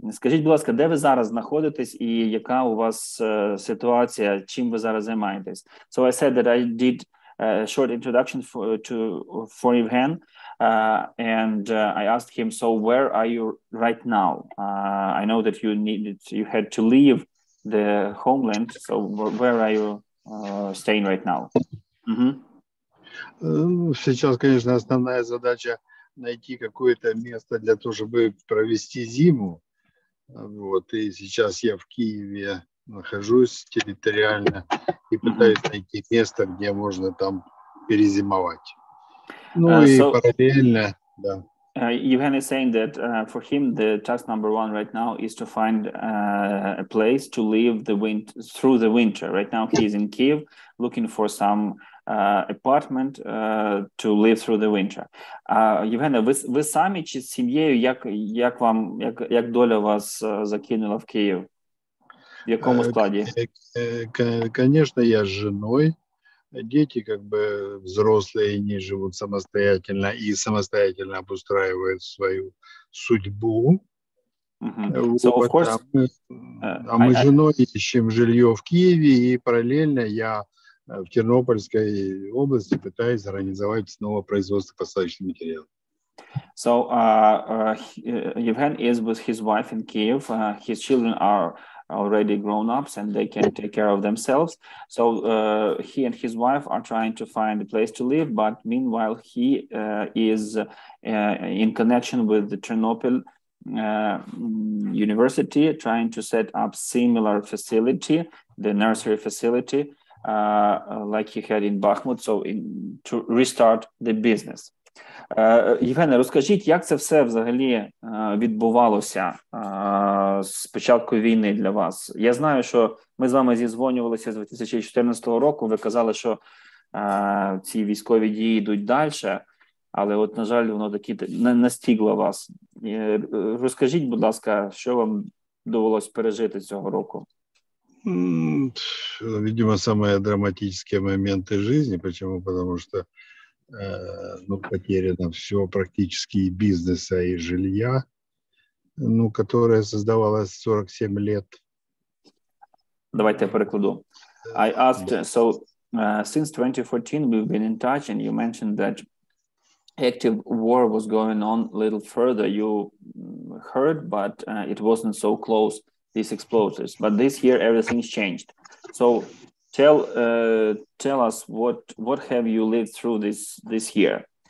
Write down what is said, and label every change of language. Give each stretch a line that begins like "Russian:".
Ukrainian: Скажіть, будь ласка, де ви зараз знаходитесь і яка у вас ситуація, чим ви зараз займаєтесь?
English: So I said that I did a short introduction for Evhen. I asked him, so where are you right now? I know that you had to leave the homeland, so where are you staying right now?
Russian: Сейчас, конечно, основная задача найти какое-то место для того, чтобы провести зиму. Вот, и сейчас я в Киеве нахожусь территориально и пытаюсь найти место, где можно там перезимовать.
English: Евгений is saying that for him the task number one right now is to find a place to live through the winter. Right now he is in Kyiv looking for some apartment to live through the winter.
Ukrainian: Євгене, ви самі чи з сім'єю, як доля вас закинула в Київ? В якому складі?
Russian: Конечно,
Ukrainian: я з женою.
Russian: Дети как бы взрослые, они живут самостоятельно и самостоятельно обустраивают свою судьбу. Мы с женой ищем жилье в Киеве, и параллельно я в Тернопольской области пытаюсь организовать снова производство посадочных материалов.
English: So Evhen is with his wife in Kyiv. His children are already grown-ups and they can take care of themselves. So he and his wife are trying to find a place to live, but meanwhile he is in connection with the Chernobyl University, trying to set up similar facility, the nursery facility, like he had in Bakhmut, so to restart the business.
Ukrainian: Євгене, розкажіть, як це все взагалі відбувалося з початку війни для вас? Я знаю, що ми з вами зізвонювалися з 2014 року, ви казали, що ці військові дії йдуть далі, але от, на жаль, воно таки не настигло вас. Розкажіть, будь ласка, що вам довелось пережити цього року?
Russian: Видимо, самые драматические моменты жизни, почему? Потому что потеряно все практически и бизнеса, и жилья, которое создавалось 47 лет.
Ukrainian: Давайте я перекладу.
English: I asked, so since 2014 we've been in touch, and you mentioned that active war was going on a little further. You heard, but it wasn't so close, these explosives. But this year everything's changed. So tell us what have you lived through this year?